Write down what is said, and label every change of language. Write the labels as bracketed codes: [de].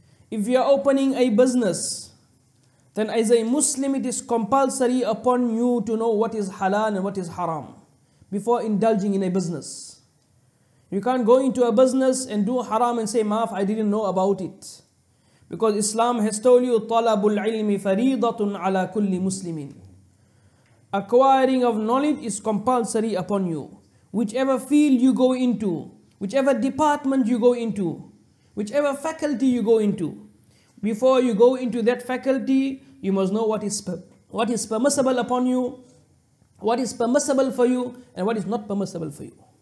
[en] If you are opening a business, then as a Muslim, it is compulsory upon you to know what is halal and what is haram before indulging in a business. You can't go into a business and do haram and say, "Maaf, I didn't know about it." Because Islam has told you, [ar] طَلَبُ الْعِلْمِ فَرِيضَةٌ عَلَىٰ كُلِّ مُسْلِمٍ. [en] Acquiring of knowledge is compulsory upon you. Whichever field you go into, whichever department you go into, whichever faculty you go into, before you go into that faculty, you must know what is permissible upon you, what is permissible for you, and what is not permissible for you.